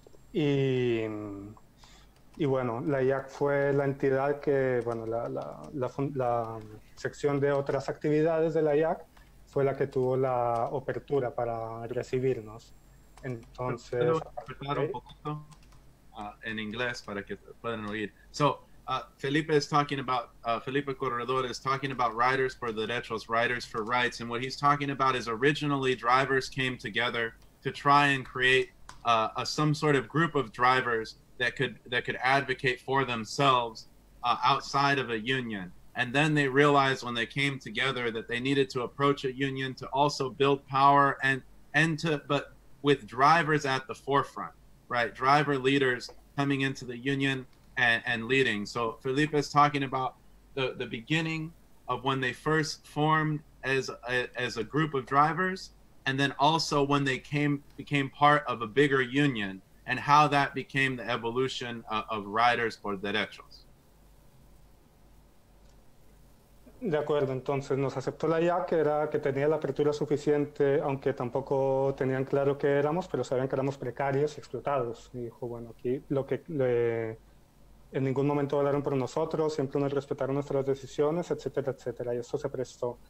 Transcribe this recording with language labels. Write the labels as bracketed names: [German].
[Spanish] Y bueno, la IAC fue la entidad que, bueno, la sección de otras actividades de la IAC fue la que tuvo la apertura para recibirnos. Entonces, un poquito en inglés para que puedan oír. [English] So, Felipe is talking about Felipe Corredor is talking about riders for derechos, riders for rights, and what he's talking about is originally drivers came together to try and create some sort of group of drivers that could advocate for themselves outside of a union. And then they realized when they came together that they needed to approach a union to also build power but with drivers at the forefront, right? Driver leaders coming into the union and leading. So Felipe is talking about the beginning of when they first formed as a group of drivers, and then also when they became part of a bigger union, and how that became the evolution of riders por derechos. [Spanish] De acuerdo, entonces nos aceptó la IA, que era que tenía la apertura suficiente, aunque tampoco tenían claro qué éramos, pero sabían que éramos precarios y explotados. Y dijo, bueno, aquí lo que en ningún momento hablaron por nosotros, siempre nos respetaron nuestras decisiones, etcétera, etcétera. Y esto se prestó.